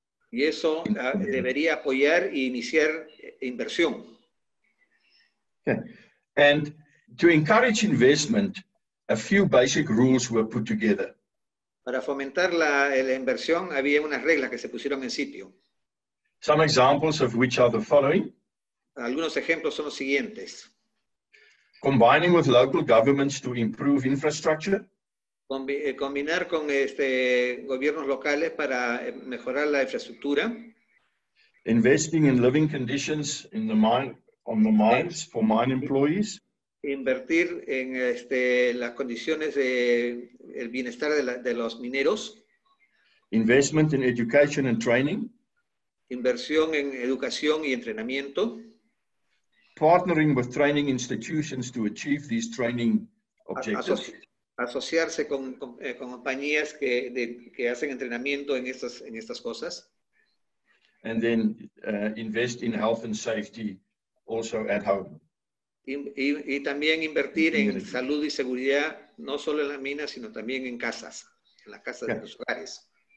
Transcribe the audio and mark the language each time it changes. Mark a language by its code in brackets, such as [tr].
[es] Y eso debería apoyar e iniciar inversión. Yeah. [en] And to encourage investment, a few basic rules were put together. [es] Para fomentar la inversión, había unas reglas que se pusieron en sitio. [en] Some examples of which are the following. [es] Algunos ejemplos son los siguientes. [en] Combining with local governments to improve infrastructure. [es] Combinar con gobiernos locales para mejorar la infraestructura. [en] Investing in living conditions in the mine, on the mines for mine employees. [es] Invertir en las condiciones de el bienestar de los mineros. [en] Investment in education and training. [es] Inversión en educación y entrenamiento. [en] Partnering with training institutions to achieve these training objectives. [es] Asociarse con compañías que hacen entrenamiento en estas cosas. [en] And then invest in health and safety also at home. [es] Y también invertir en salud y seguridad, no solo en las minas, sino también en casas, en las casas de los hogares.